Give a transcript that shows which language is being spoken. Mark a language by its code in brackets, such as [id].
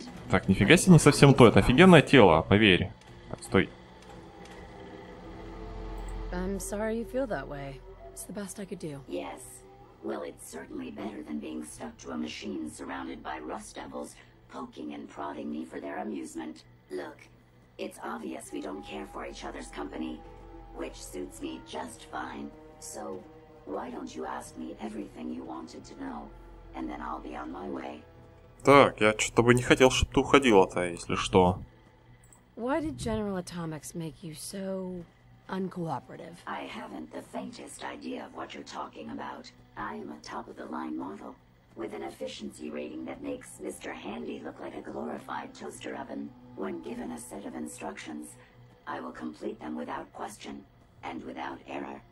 [ru] Так, нифига себе, не совсем то. Это офигенное тело, поверь. Так, стой. [en] I'm sorry you feel that way. It's the best I could do. Yes. Well, it's certainly better than being stuck to a machine surrounded by rust devils, poking and prodding me for their amusement. Look, it's obvious we don't care for each other's company, which suits me just fine. So, why don't you ask me everything you wanted to know, and then I'll be on my way. [ru] Так, я что-то бы не хотел, чтобы ты уходила-то, если что. [en] Why did General Atomics make you so... uncooperative. I haven't the faintest idea of what you're talking about. I am a top-of-the-line model, with an efficiency rating that makes Mr. Handy look like a glorified toaster oven. When given a set of instructions, I will complete them without question, and without error.